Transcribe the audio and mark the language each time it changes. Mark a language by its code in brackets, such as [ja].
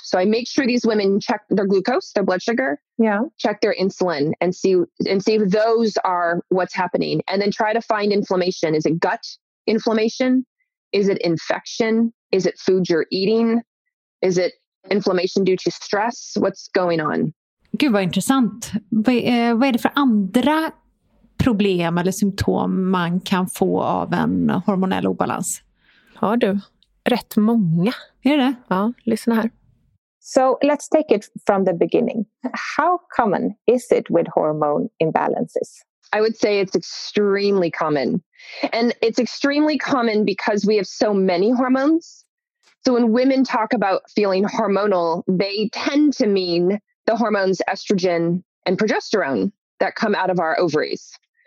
[en] So I make sure these women check their glucose, their blood sugar, check their insulin and see if those are what's happening. And then try to find inflammation. Is it gut inflammation? Is it infection? Is it food you're eating? Is it inflammation due to stress? What's going on? [sv] Gud, vad intressant. Vad är det för andra problem eller symptom man kan få av en hormonell obalans? Ja, du. Rätt många. Är det? Ja, lyssna här. [en] So let's take it from the beginning. How common is it with hormone imbalances? I would say it's extremely common. And it's extremely common because we have so many hormones. So when women talk about feeling hormonal, they tend to mean the hormones estrogen and progesterone that come out of our ovaries.